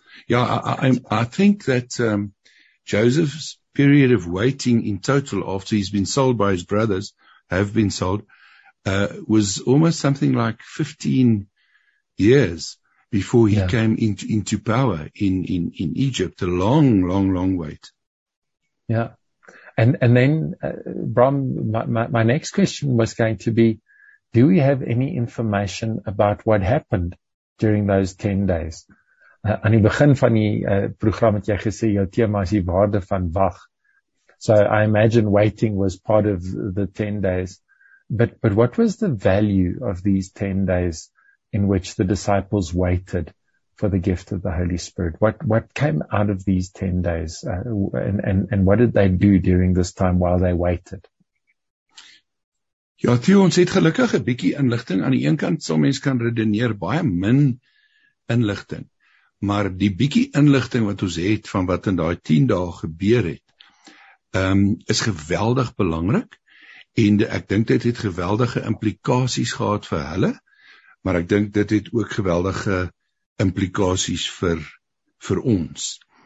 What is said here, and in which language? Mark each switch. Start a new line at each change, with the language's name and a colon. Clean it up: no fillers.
English: I think that Joseph's period of waiting in total after he's been sold by his brothers, have been sold, was almost something like 15 years before he came into power in Egypt. A long, long, long wait. Yeah. And then, Bram, my next question was going to be, do we have any information about what happened during those 10 days?
Afrikaans: Aan die begin van die program het jy gesê, jou thema is die waarde van wag.
English: So I imagine waiting was part of the 10 days. But what was the value of these 10 days in which the disciples waited for the gift of the Holy Spirit? What came out of these 10 days? And what did they do during this time while they waited?
Afrikaans: Ja, Theo, ons het gelukkig 'n bietjie inligting. Aan die een kant sal mens kan redeneer baie min inligting. Maar die bietjie inligting wat ons het van wat in daai 10 dae gebeur het, is geweldig belangrik. En ek dink dit het geweldige implikasies gehad vir hulle, maar ek dink dit het ook geweldige implikasies vir ons.